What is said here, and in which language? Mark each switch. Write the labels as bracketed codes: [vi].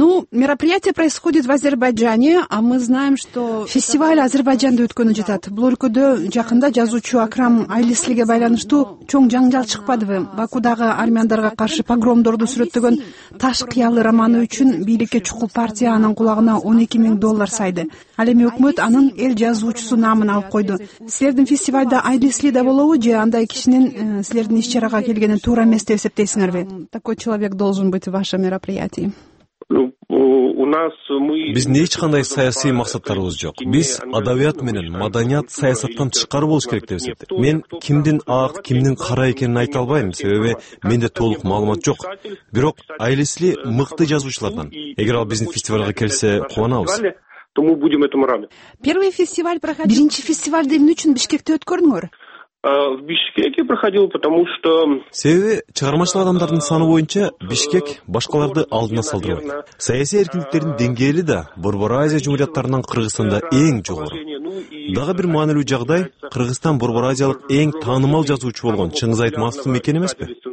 [ru] Мероприятие происходит в Азербайджане, а мы знаем, что фестиваль [ky] Азербайджанда өткөнү жатат. Бул өлкөдө жакында жазуучу Акрам Айлислиге байланыштуу чоң жаңжал чыкпадыбы? Бакудагы армяндарга каршы погромдорду сүрөттөгөн Таш кыялы романы үчүн бийликке чукул партия анын кулагына 12 000 доллар сайды. Ал эми өкмөт анын эл жазуучусу наамын алып койду. Силердин фестивалда Айлисли да болобу же андай кишинин силердин иш чарага келгени туура эмес деп эсептейсиңерби? [ru] Такой человек должен быть в вашем мероприятии. [ky] Биздин эч кандай саясий максаттарыбыз жок. Биз адабият менен маданият саясаттан тышкары болуш керек деп эсептейм. Мен кимдин ак, кимдин кара экенин айта албайм, себеби менде толук маалымат жок. Бирок Айлисли мыкты жазуучулардан. Эгер ал биздин фестивалга келсе, кубанабыз. [ru] Первый фестиваль проходил. [ky] Биринчи фестивалды эмне үчүн Бишкекте өткөрдүңөр? [ru] В Бишкеке проходил, потому что... [ky] Себеби, чыгармачыл адамдардын саны боюнча Бишкек башкаларды алдына салдырат. Саясий эркиндиктердин деңгээли да Борбор Азия жумхуриятынан Кыргызстанда эң жогору. Дагы бир маанилүү жагдай, Кыргызстан Борбор Азиялык эң таанымал жазуучу болгон Чыңгыз Айтматовдун мекени эмеспи?